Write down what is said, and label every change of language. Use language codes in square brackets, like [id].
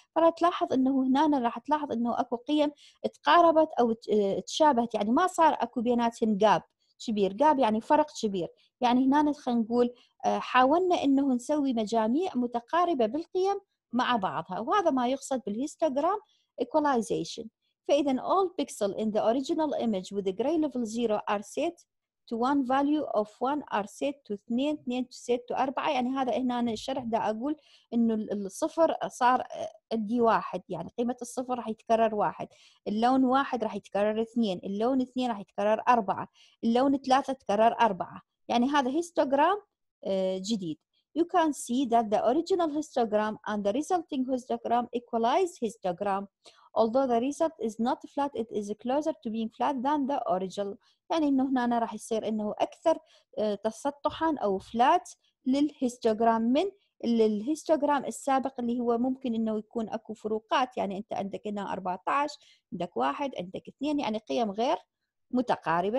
[ar] فراح تلاحظ أنه هنا راح تلاحظ أنه أكو قيم تقاربت أو تشابهت، يعني ما صار أكو بيناتهم جاب كبير. جاب يعني فرق كبير. يعني هنا خلينا نقول حاولنا أنه نسوي مجاميع متقاربة بالقيم مع بعضها، وهذا ما يقصد بالهيستوغرام إيكولايزيشن. [en] فإذا all pixel in the original image with the gray level 0 are set to one value of one are set to 2, 2 set to 4. [ar] يعني هذا هنا الشرح ده أقول إنه الصفر صار دي 1، يعني قيمة الصفر راح يتكرر 1، اللون 1 راح يتكرر 2، اللون 2 راح يتكرر 4، اللون 3 تكرر 4. يعني هذا هيستوغرام جديد. [en] You can see that the original histogram and the resulting histogram equalize histogram. although the result is not flat, it is closer to being flat than the original. [ar] يعني إنه هنا أنا راح يصير إنه أكثر تسطحاً أو flat للهيستوغرام من الهيستوغرام السابق اللي هو ممكن إنه يكون أكو فروقات. يعني أنت عندك هنا 14، عندك واحد، عندك اثنين، يعني قيم غير متقاربة.